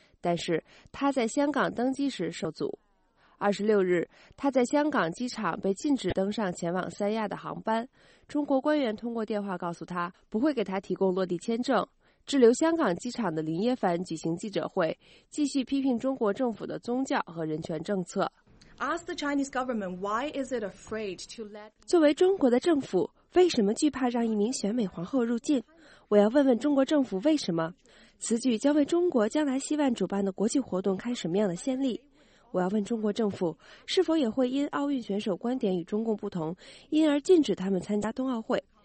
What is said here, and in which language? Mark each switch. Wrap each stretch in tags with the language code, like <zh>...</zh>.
<zh>但是他在香港登机时受阻。26日，他在香港机场被禁止登上前往三亚的航班。中国官员通过电话告诉他，不会给他提供落地签证。滞留香港机场的林耶凡举行记者会，继续批评中国政府的宗教和人权政策。</zh> <en>Ask the Chinese government why is it afraid to let.</en> <zh>作为中国的政府，为什么惧怕让一名选美皇后入境？我要问问中国政府为什么？此举将为中国将来希望主办的国际活动开什么样的先例？我要问中国政府，是否也会因奥运选手观点与中共不同，因而禁止他们参加冬奥会？</zh>